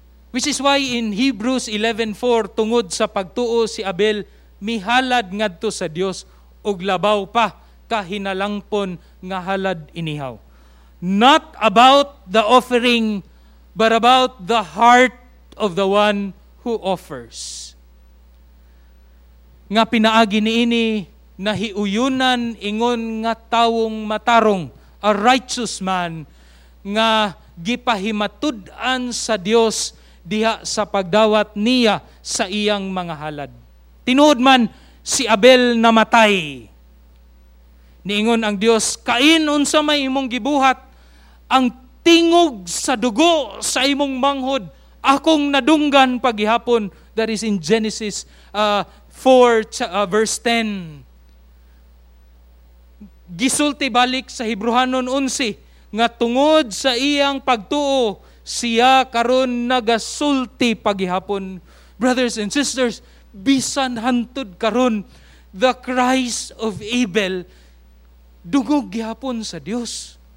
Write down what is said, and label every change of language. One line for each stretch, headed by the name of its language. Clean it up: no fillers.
English: Which is why in Hebrews 11:4,
Cebuano: tungod sa pagtuo si Abel, mihalad ngadto sa Dios og labaw pa kahinalangpon nga halad inihaw.
English: Not about the offering, but about the heart of the one who offers.
Cebuano: Nga pinaagi niini nahiuyunan ingon nga tawong matarong,
English: a righteous man,
Cebuano: nga gipahimatud-an sa Dios diha sa pagdawat niya sa iyang mga halad. Tinuod man si Abel namatay. Niingon ang Dios, Kain unsa may imong gibuhat, ang tingog sa dugo sa imong manghod, akong nadunggan paghihapon.
English: That is in Genesis 4 verse 10.
Cebuano: Gisulti balik sa Hebrewanon 11, nga tungod sa iyang pagtuo, siya karon nagasulti paghihapon.
English: Brothers and sisters,
Cebuano: bisan hantud karon,
English: the Christ of Abel
Cebuano: dugog gihapon sa Dios.